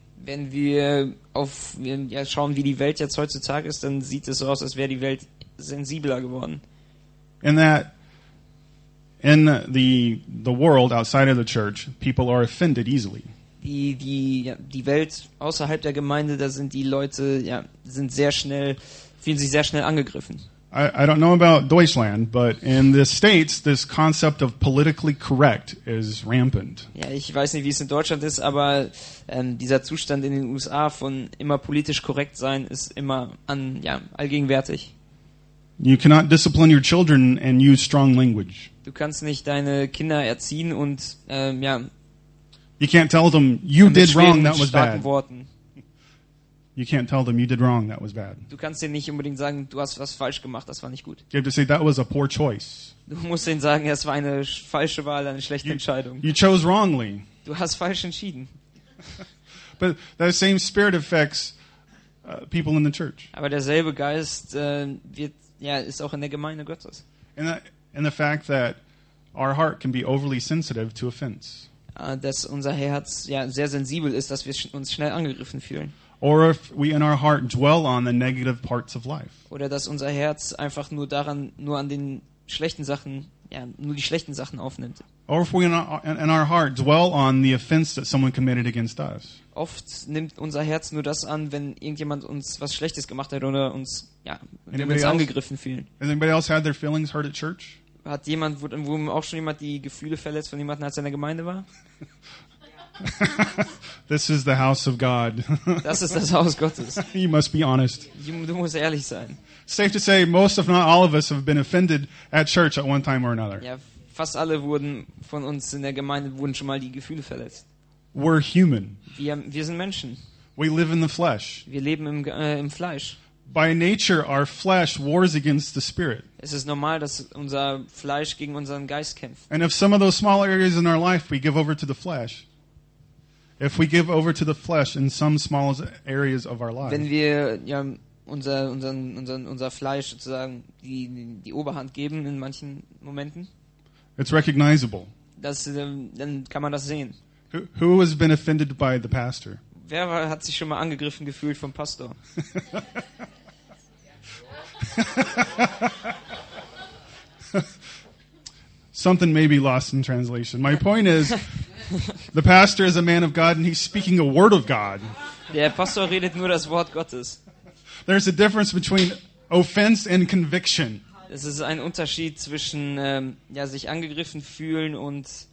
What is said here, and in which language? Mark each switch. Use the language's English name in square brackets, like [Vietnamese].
[German] Wenn wir schauen, wie die Welt jetzt heutzutage ist, dann sieht es so aus, als wäre die Welt sensibler geworden. [English] In the world outside of the church, people are offended easily. [German] Die Welt außerhalb der Gemeinde, da sind die Leute sind sehr schnell, fühlen sich sehr schnell angegriffen. [English] I don't know about Deutschland, but in the States, this concept of politically correct is rampant. [German] Ja, ich weiß nicht, wie es in Deutschland ist, aber dieser Zustand in den USA von immer politisch korrekt sein ist immer allgegenwärtig. [English] You cannot discipline your children and use strong language. [German] Du kannst nicht deine Kinder erziehen und [English] you can't tell them you did wrong, that was bad. You can't tell them you did wrong, that was bad. [German] Du kannst ihnen nicht unbedingt sagen, du hast was falsch gemacht, das war nicht gut. [English] You have to say that was a poor choice. [German] Du musst ihnen sagen, es war eine falsche Wahl, eine schlechte Entscheidung. [English] You chose wrongly. [German] Du hast falsch entschieden. [English] But that same spirit affects people in the church. [German] Aber derselbe Geist ist auch in der Gemeinde Gottes. [English] And the fact that our heart can be overly sensitive to offense. [German] Dass unser Herz sehr sensibel ist, dass wir uns schnell angegriffen fühlen. [English] Or if we in our heart dwell on the negative parts of life. [German] Oder dass unser Herz einfach nur daran, nur an den schlechten Sachen, nur die schlechten Sachen aufnimmt. [English] Or if we in our heart dwell on the offense that someone committed against us. [German] Oft nimmt unser Herz nur das an, wenn irgendjemand uns was Schlechtes gemacht hat oder uns angegriffen fühlen. [English] Has anybody else had their feelings hurt at church? [German] Hat jemand, wo auch schon jemand die Gefühle verletzt von jemandem, als er in der Gemeinde war? [English] This is the house of God. [German] Das ist das Haus Gottes. [English] You must be honest. [German] Du musst ehrlich sein. [English] Safe to say, most if not all of us have been offended at church at one time or another. [German] Ja, fast alle wurden von uns in der Gemeinde wurden schon mal die Gefühle verletzt. [English] We're human. [German] Wir sind Menschen. [English] We live in the flesh. [German] Wir leben im Fleisch. [English] By nature, our flesh wars against the spirit. [German] Es ist normal, dass unser Fleisch gegen unseren Geist kämpft. [English] And if some of those small areas in our life we give over to the flesh, if we give over to the flesh in some small areas of our life, [German] wenn wir unser Fleisch sozusagen die Oberhand geben in manchen Momenten, [English] it's recognizable. [German] Das dann kann man das sehen. [English] Who has been offended by the pastor? [German] Wer hat sich schon mal angegriffen gefühlt vom Pastor? [English] Something may be lost in translation. My point is, the pastor is a man of God and he's speaking a word of God. [German] Der Pastor redet nur das Wort Gottes. [English] There's a difference between offense and conviction. [German] Es ist ein Unterschied zwischen sich angegriffen fühlen und